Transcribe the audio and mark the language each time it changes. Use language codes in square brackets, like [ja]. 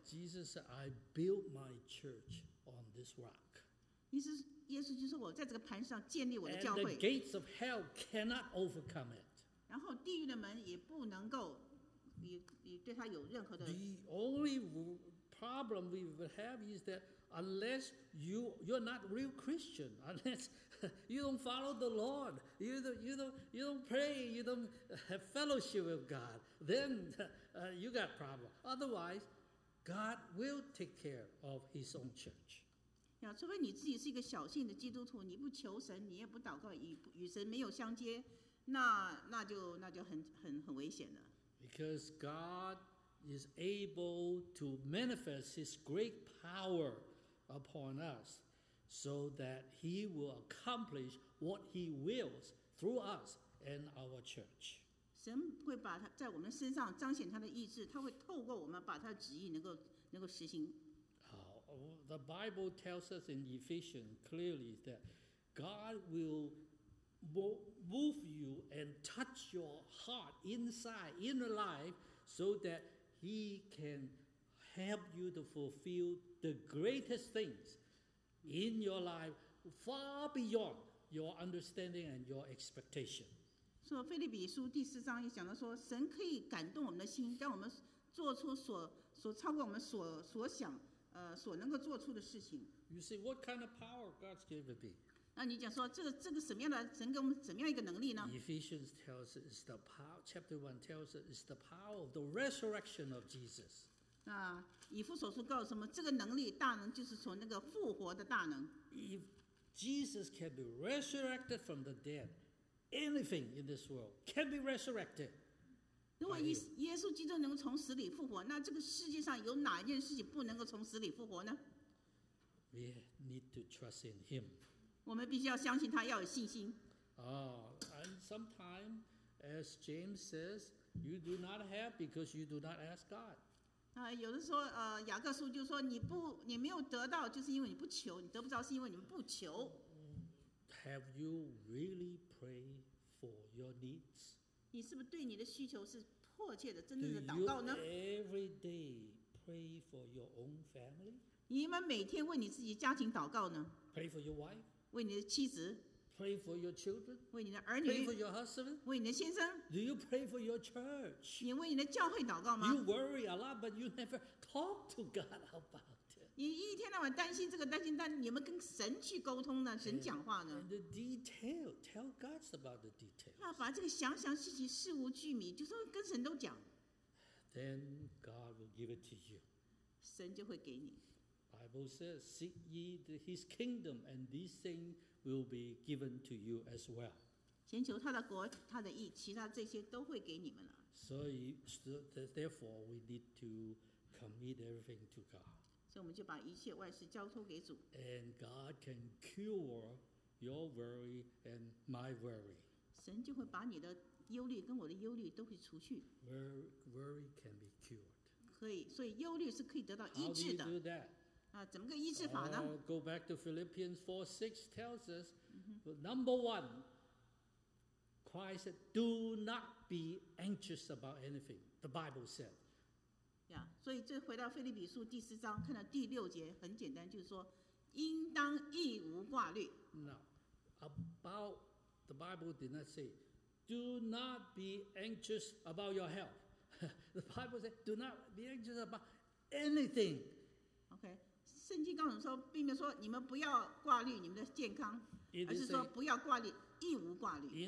[en] Jesus said, "I built my church on this rock." [zh] 耶稣就说我在这个磐石上建立我的教会。 [en] And the gates of hell cannot overcome it. [zh] 然后地狱的门也不能够。 [en] The only problem we would have is that unless you're not real Christian, unless you don't follow the Lord, you don't pray, you don't have fellowship with God, then you got problem. Otherwise, God will take care of His own church. [zh] 除非你自己是一个小信的基督徒，你不求神，你也不祷告，与神没有相接，那就 很危险了。 [en] Because God is able to manifest His great power upon us, so that He will accomplish what He wills through us and our church. [zh] 神会把他在我们身上彰显他的意志，他会透过我们把他的旨意能够实行。 [en] The Bible tells us in Ephesians clearly that God will move you and touch your heart inside, inner life, so that He can help you to fulfill the greatest things in your life far beyond your understanding and your expectation. [zh] So, 腓立比书第四章也讲到说，神可以感动我们的心，让我们做出所超过我们所想。所能够做出的事情。 [en] You see, what kind of power God's given me? [zh] 那你讲说这个什么样的神给我们怎么样一个能力呢？ [en] Ephesians tells us it's the power, chapter 1 tells us it's the power of the resurrection of Jesus. [zh] 那以弗所书告诉我们，这个能力大能就是从那个复活的大能。 [en] If Jesus can be resurrected from the dead, anything in this world can be resurrected. [zh] 如果耶稣基督能够从死里复活，那这个世界上有哪一件事情不能够从死里复活呢？ [en] We need to trust in Him. [zh] 我们必须要相信他，要有信心。 [en] And sometimes, as James says, you do not have because you do not ask God. [zh] 有的时候，雅各书就说你没有得到，就是因为你不求；你得不着，是因为你们不求。 [en] Have you really prayed for your needs? [zh] 你是不是对你的需求是迫切的、真正的祷告呢？ [en] Do you every day pray for your own family? [zh] 你们每天为你自己家庭祷告呢？ [en] Pray for your wife? [zh] 为你的妻子？ [en] Pray for your children? [zh] 为你的儿女？ [en] Pray for your husband? [zh] 为你的先生？ [en] Do you pray for your church? [zh] 你为你的教会祷告吗？ [en] You worry a lot, but you never talk to God about it. [zh] 你一天到晚担心这个担心，但你们跟神去沟通呢？神讲话呢？ [en] And the detail, tell God about the detail. [zh] 要把这个详详细细、事无巨细，就说跟神都讲。 [en] Then God will give it to you. [zh] 神就会给你。 [en] Bible says, "Seek ye His kingdom, and these things will be given to you as well." [zh] 先求他的国、他的义，其他这些都会给你们了。 [en] So therefore, we need to commit everything to God. [zh] 所以我们就把一切万事交托给主。 [en] And God can cure your worry and my worry. [zh] 神就会把你的忧虑跟我的忧虑都会除去。 [en] Worry can be cured. [zh] 可以，所以忧虑是可以得到医治的。 [en] How do you do that? [zh] 怎么个医治法呢？ [en] Go back to Philippians 4:6 tells us, number one, Christ said, "Do not be anxious about anything." The Bible said. [zh] 所以这回到腓立比书第四章，看到第六节，很简单，就是说，应当一无挂虑。 [en] No, about. The Bible did not say, do not be anxious about your health. The Bible said, do not be anxious about anything. Okay. [zh] 圣经告诉我们说，并没有说你们不要挂虑你们的健康，而是说不要挂虑，一无挂虑。